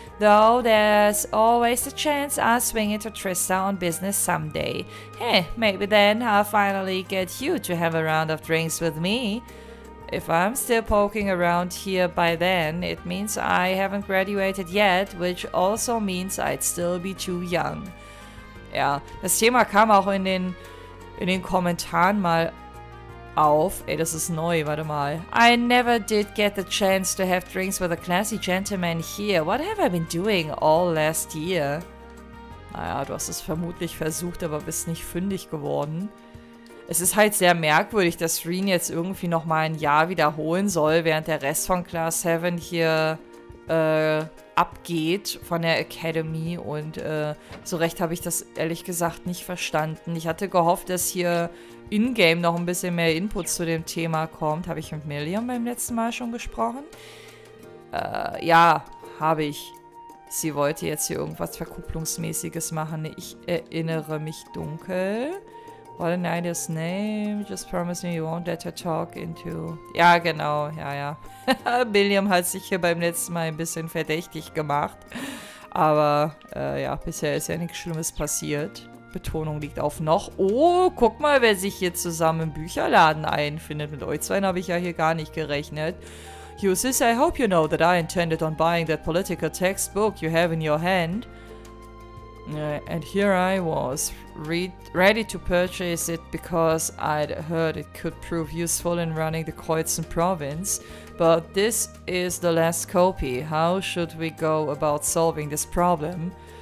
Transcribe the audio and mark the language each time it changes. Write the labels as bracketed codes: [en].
[en] Though there's always the chance I'll swing into Trista on business someday. Hey, maybe then I'll finally get you to have a round of drinks with me. If I'm still poking around here by then, it means I haven't graduated yet, which also means I'd still be too young. [de] Ja, das Thema kam auch in den Kommentaren mal auf. Ey, das ist neu, warte mal. [en] I never did get the chance to have drinks with a classy gentleman here. What have I been doing all last year? [de] Naja, du hast es vermutlich versucht, aber bist nicht fündig geworden. Es ist halt sehr merkwürdig, dass Rin jetzt irgendwie nochmal ein Jahr wiederholen soll, während der Rest von Class 7 hier abgeht von der Academy. Und so recht habe ich das ehrlich gesagt nicht verstanden. Ich hatte gehofft, dass hier in-game noch ein bisschen mehr Input zu dem Thema kommt. Habe ich mit Miriam beim letzten Mal schon gesprochen? Ja, habe ich. Sie wollte jetzt hier irgendwas Verkupplungsmäßiges machen. Ich erinnere mich dunkel. [en] What a nice name. Just promise me you won't let her talk into... [de] Ja, genau. Ja, ja. William hat sich hier beim letzten Mal ein bisschen verdächtig gemacht. Aber, ja, bisher ist ja nichts Schlimmes passiert. Betonung liegt auf noch. Oh, guck mal, wer sich hier zusammen im Bücherladen einfindet. Mit euch zwei habe ich ja hier gar nicht gerechnet. [en] You sis, I hope you know that I intended on buying that political textbook you have in your hand. And here I was, ready to purchase it because I'd heard it could prove useful in running the Kreuzen province. But this is the last copy. How should we go about solving this problem?